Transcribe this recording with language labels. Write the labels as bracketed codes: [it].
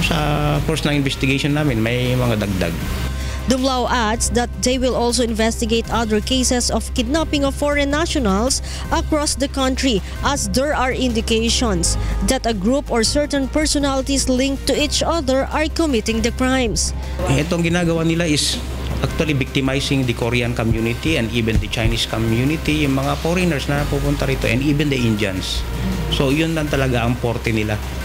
[tl] So, sa course ng investigation namin, may mga dagdag. [en] Dumlao adds that they will also investigate other cases of kidnapping of foreign nationals across the country, as there are indications that a group or certain personalities linked to each other are committing the crimes. [tl] Itong ginagawa nila [en] is actually victimizing the Korean community and even the Chinese community, yung mga foreigners [tl] na pupunta rito [en] and even the Indians. [tl] So yun lang talaga ang porte nila.